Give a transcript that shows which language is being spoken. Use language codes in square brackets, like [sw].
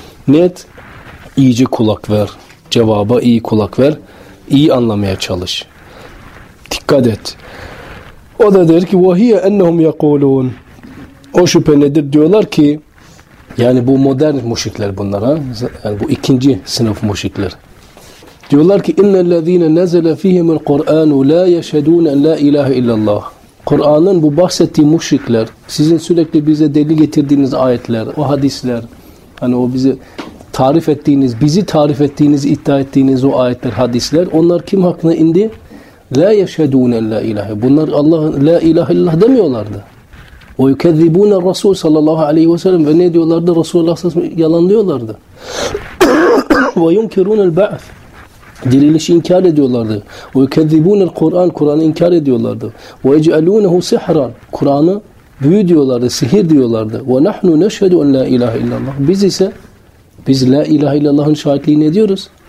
[tr] Net, iyice kulak ver. Cevaba iyi kulak ver. İyi anlamaya çalış. Dikkat et. O da der ki [ar] وَهِيَ اَنَّهُمْ يَقُولُونَ. [tr] O şüphe nedir? Diyorlar ki, yani bu modern müşrikler bunlar, ha? Yani bu ikinci sınıf müşrikler. Diyorlar ki [ar] اِنَّ الَّذ۪ينَ نَزَلَ ف۪يهِمُ الْقُرْآنُ لَا يَشَدُونَ لَا اِلَٰهِ اِلَّا اللّٰهِ. [tr] Kur'an'ın bu bahsettiği müşrikler, sizin sürekli bize delil getirdiğiniz ayetler, o hadisler, hani o bizi tarif ettiğiniz, bizi tarif ettiğiniz, iddia ettiğiniz o ayetler, hadisler, onlar kim hakkında indi? [ar] لَا يَشَدُونَ لَا اِلَٰهِ. [tr] Bunlar Allah'ın [ar] لَا اِلَٰهِ اللّٰهِ [tr] demiyorlardı. [ar] وَيُكَذِّبُونَ الرَّسُولُ صَلَى اللّٰهُ عَلَيْهِ وَسَلَمُ. [tr] Ve ne diyorlardı? Resulullah s.a.v. yalanlıyorlardı. [ar] وَيُنْكِرُونَ الْبَعْثِ. [tr] Dirilişi inkar ediyorlardı. [ar] وَيُكَذِّبُونَ الْقُرْآنِ. [tr] Kur'an'ı inkar ediyorlardı. [ar] وَيَجْعَلُونَهُ سِحْرًا. [tr] Kur'an'ı büyü diyorlardı, sihir diyorlardı. [ar] وَنَحْنُ نَشْهَدُ أَنْ لَا اِلَٰهِ اِلَّا اللّٰهِ. [tr] Biz ise, biz La İlahe İllallah'ın şahitliğini ediyoruz.